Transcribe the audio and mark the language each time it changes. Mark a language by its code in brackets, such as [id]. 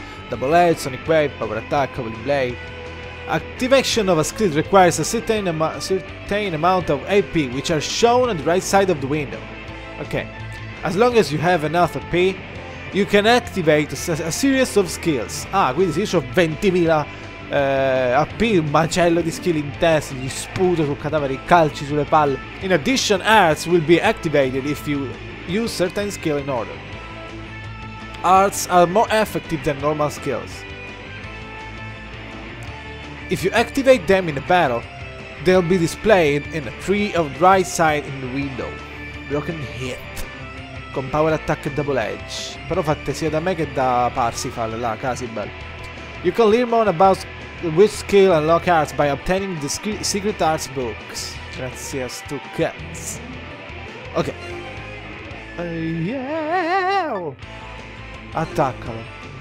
[en] Double edge, sonic wave, power attack, cobbling blade. Activation of a skill requires a certain amount of AP, which are shown on the right side of the window. Okay, as long as you have enough AP, you can activate a series of skills. [it] Ah, quindi si dice 20.000 AP, un macello di skill in testa, gli sputo sul cadavere, i calci sulle palle. [en] In addition, arts will be activated if you use certain skill in order. Arts are more effective than normal skills. If you activate them in a battle, they'll be displayed in a tree of right side in the window. [it] Broken hit. Con power attack e double edge. Però fatte sia da me che da Parsifal, la Casibel. [en] You can learn more about which skill unlock arts by obtaining the secret arts books. [it] Grazie, Stu Cats. Ok. Yeah! Attaccalo.